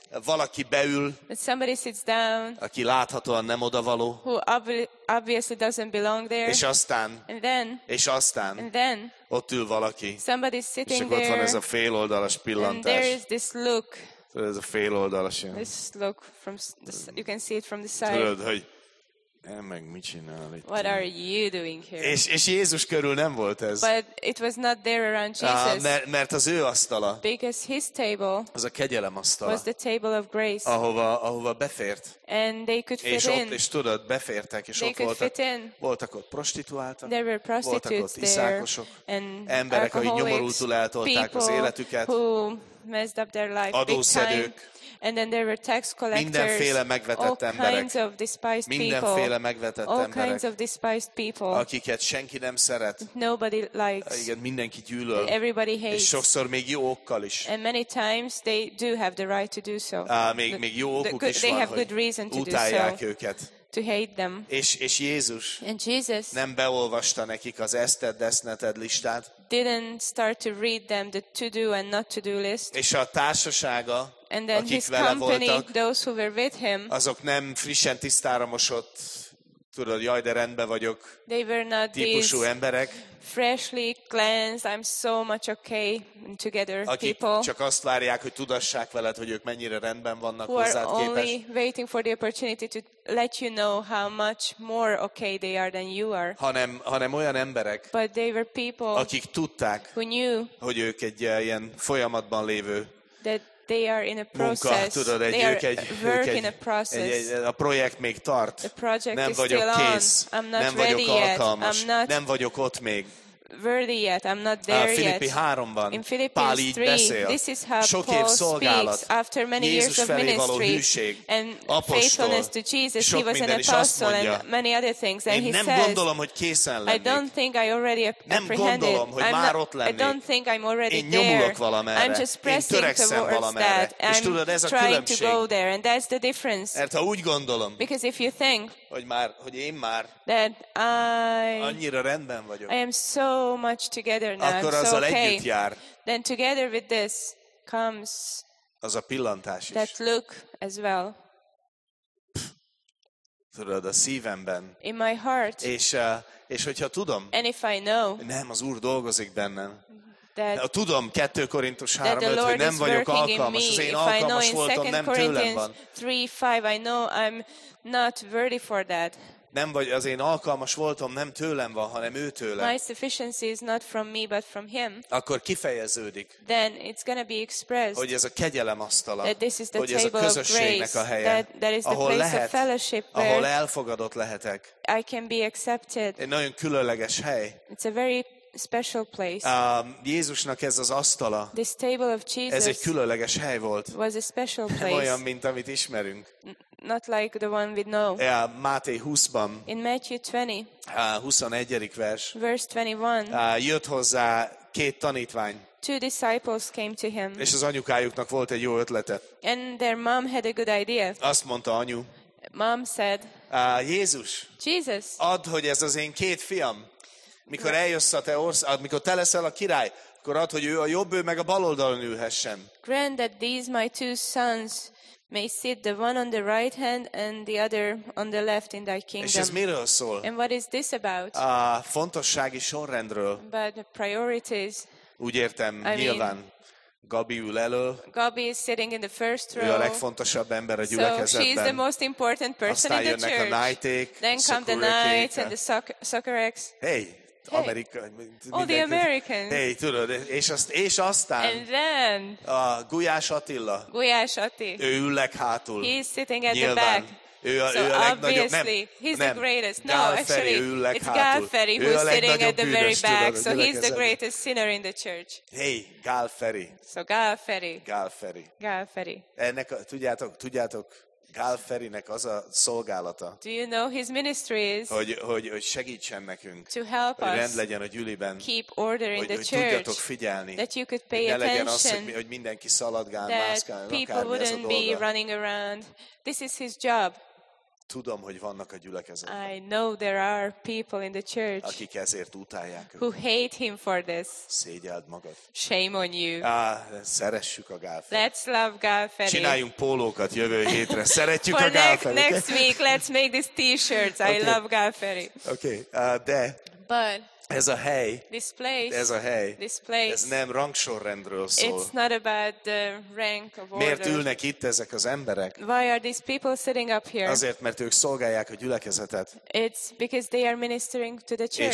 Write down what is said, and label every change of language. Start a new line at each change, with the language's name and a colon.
Hungarian: Valaki beül,
English: somebody sits down,
Hungarian: aki láthatóan nem odavaló,
English: who obviously doesn't belong there,
Hungarian: és aztán ott ül valaki,
English: somebody's sitting
Hungarian: és akkor
English: there,
Hungarian: ott van ez a féloldalas pillantás.
English: And there is this look.
Hungarian: Tudod, ez a fél oldalas ilyen.
English: This look from the, you can see it from the side.
Hungarian: Tudod, hogy én meg mit csinál itt?
English: What are you doing here?
Hungarian: És Jézus körül nem volt ez.
English: But it was not there around Jesus.
Hungarian: Mert az ő asztala.
English: Because his table.
Hungarian: Az a kegyelem asztala.
English: Was the table of grace.
Hungarian: Ahova befért.
English: And they could fit
Hungarian: és ott,
English: in.
Hungarian: És tudod, befértek, és
English: they
Hungarian: ott voltak.
English: They could fit in.
Hungarian: Voltak ott prostituáltak.
English: There were prostitutes there.
Hungarian: Voltak ott iszákosok.
English: And
Hungarian: emberek, akik nyomorultul eltolták az életüket.
English: Messed up their life.
Hungarian: Adószedők.
English: And then there were tax collectors.
Hungarian: Mindenféle megvetett
English: all
Hungarian: emberek.
English: Kinds of despised people.
Hungarian: Mindenféle megvetett
English: all
Hungarian: emberek.
English: All kinds of despised people.
Hungarian: Akiket senki nem szeret.
English: Nobody likes.
Hungarian: Igen, mindenki gyűlöl.
English: Everybody hates.
Hungarian: És sokszor még jó okkal is.
English: And many times they do have the right to do so.
Hungarian: Még jó okuk is
English: they
Hungarian: van,
English: have good reason to
Hungarian: utálják
English: do so.
Hungarian: Őket.
English: To hate them.
Hungarian: És Jézus.
English: And Jesus.
Hungarian: Nem beolvasta nekik az eszted, deszneted listát.
English: Didn't start to read them the to do and not to do list.
Hungarian: És a társasága,
English: and then
Hungarian: akik
English: his
Hungarian: vele
English: company,
Hungarian: voltak,
English: those who were with him.
Hungarian: Azok nem frissen tisztára mosott, tudod, jaj, de rendben vagyok.
English: They were not
Hungarian: típusú emberek.
English: Freshly cleansed, I'm so much okay together people.
Hungarian: Csak azt várják, hogy tudassák veled, hogy ők mennyire rendben vannak hozzád képest.
English: Who are only waiting for the opportunity to let you know how much more okay they are than you are.
Hungarian: Hanem olyan emberek,
English: but they were people,
Hungarian: akik tudták,
English: who knew,
Hungarian: hogy ők egy ilyen folyamatban lévő
English: that they are in a process.
Hungarian: Munka, tudod, egy,
English: they
Hungarian: ők egy,
English: work
Hungarian: ők egy,
English: in a process.
Hungarian: Egy, a projekt még tart.
English: The project
Hungarian: nem
English: is
Hungarian: vagyok
English: still
Hungarian: kész.
English: On. I'm not
Hungarian: nem
English: ready
Hungarian: vagyok
English: yet.
Hungarian: Alkalmas.
English: I'm not
Hungarian: nem vagyok ott még.
English: Worthy yet. I'm not there yet.
Hungarian: Filippi 3-ban.
English: In Philippians 3, this is how
Hungarian: sok
English: Paul
Hungarian: év szolgálat,
English: speaks after many
Hungarian: Jézus
English: years of ministry
Hungarian: hűség,
English: and
Hungarian: apostol,
English: faithfulness to Jesus. He was an apostle and many other things. And
Hungarian: én
English: he
Hungarian: nem
English: says,
Hungarian: gondolom, hogy készen lennék.
English: I don't think I already apprehended.
Hungarian: Nem gondolom, hogy már ott lennék.
English: I don't think I'm already
Hungarian: én
English: there.
Hungarian: Nyomulok valamerre.
English: I'm just pressing towards that. I'm trying to go there. And that's the difference.
Hungarian: Mert ha úgy gondolom,
English: because if you think
Hungarian: hogy én már
English: that I
Hungarian: annyira rendben vagyok.
English: I am so much together now.
Hungarian: Akkor
English: so
Hungarian: azzal
English: okay.
Hungarian: Együtt jár.
English: Then together with this comes
Hungarian: az a pillantás is.
English: That look as well.
Hungarian: Tudod, a szívemben.
English: In my heart.
Hungarian: És hogyha tudom.
English: And if I know.
Hungarian: Nem, az Úr dolgozik bennem.
English: That,
Hungarian: de tudom, 2 Korintus 3-5, hogy nem vagyok alkalmas, az én alkalmas voltam, nem tőlem van.
English: 3:5, I know I'm not worthy for that.
Hungarian: Nem vagy az én alkalmas voltam, nem tőlem van, hanem ő tőle.
English: My sufficiency is not from me, but from him.
Hungarian: Akkor kifejeződik.
English: Then it's gonna be expressed.
Hungarian: Hogy ez a kegyelem asztala.
English: That this is the
Hungarian: hogy ez a közösségnek a helye.
English: That is the
Hungarian: ahol
English: place
Hungarian: lehet,
English: of fellowship.
Hungarian: Ahol elfogadott lehetek.
English: I can be accepted.
Hungarian: Egy nagyon különleges hely.
English: It's a very special place.
Hungarian: Jézusnak ez az asztala.
English: This table of Jesus.
Hungarian: Ez egy különleges hely volt.
English: Was a special place.
Hungarian: Nem olyan, mint amit ismerünk.
English: Not like the one we know.
Hungarian: Máté 20-ban.
English: In Matthew 20.
Hungarian: 21. vers.
English: Verse 21.
Hungarian: Jött hozzá két tanítvány.
English: Two disciples came to him.
Hungarian: És az anyukájuknak volt egy jó ötlete.
English: And their mom had a good idea.
Hungarian: Azt mondta anyu.
English: Mom said.
Hungarian: Jézus.
English: Jesus.
Hungarian: Add, hogy ez az én két fiam. Mikor eljössz a te ország, mikor te leszel a király, akkor add, hogy ő a jobb, ő meg a bal oldalon ülhessen.
English: Grant that these my two sons may sit the one on the right hand and the other on the left in thy kingdom.
Hungarian: És ez miről szól?
English: And what is this about?
Hungarian: A fontossági sorrendről.
English: But the priorities.
Hungarian: Úgy értem, I nyilván mean, Gabi ül elő.
English: Gabi is sitting in the first row.
Hungarian: Ő a legfontosabb ember a gyülekezetben.
English: So she is the most important person
Hungarian: aztán
English: in the church.
Hungarian: Aztán jönnek a knighték,
English: then come the knights and the soccer ex.
Hungarian: Hey, Amerika, hey.
English: All the Americans.
Hungarian: Hey, tudod, és aztán
English: and then,
Hungarian: a Gulyás Attila. Gulyás Atti. Ő ülek hátul.
English: He's sitting at
Hungarian: nyilván.
English: The back.
Hungarian: Ő a,
English: so
Hungarian: ő a legnagyobb. Nem,
English: he's
Hungarian: nem.
English: The greatest. No, Gál Feri, actually, it's Gál Feri who's sitting at the very back. So he's the greatest sinner in the church. Hey, Gál Feri. So Gál Feri. Gál Feri. Gál Feri.
Hungarian: Ennek a, tudjátok, Gál Ferinek az a szolgálata.
English: Do you know his ministry is?
Hungarian: Hogy segítsen nekünk.
English: To help
Hungarian: hogy rend
English: us.
Hungarian: Legyen a gyüliben.
English: Keep order in
Hungarian: hogy,
English: the church.
Hungarian: Hogy tudjatok figyelni.
English: That you could pay attention.
Hungarian: Ne legyen az, hogy mindenki szaladgál, mászkál,
English: that people wouldn't be running around. This is his job.
Hungarian: Tudom, hogy vannak a gyülekezetben.
English: I know there are people in the church.
Hungarian: Akik ezért utálják őt.
English: Who hate him for this.
Hungarian: Szégyeld magad.
English: Shame on you.
Hungarian: Ah, szeressük a Gál Ferit.
English: Let's love Gál Ferit.
Hungarian: Csináljunk pólókat jövő hétre. Szeretjük
English: for
Hungarian: a Gál Ferit.
English: Next week, let's make these t-shirts. Okay. I love Gál Ferit.
Hungarian: Okay, de.
English: But.
Hungarian: Ez a hely.
English: This place.
Hungarian: Ez a hely.
English: This place.
Hungarian: Ez nem rangsorrendről szól.
English: It's not about the rank of order.
Hungarian: Miért ülnek itt ezek az emberek?
English: Why are these people sitting up here?
Hungarian: Azért, mert ők szolgálják a gyülekezetet.
English: It's because they are ministering to the church.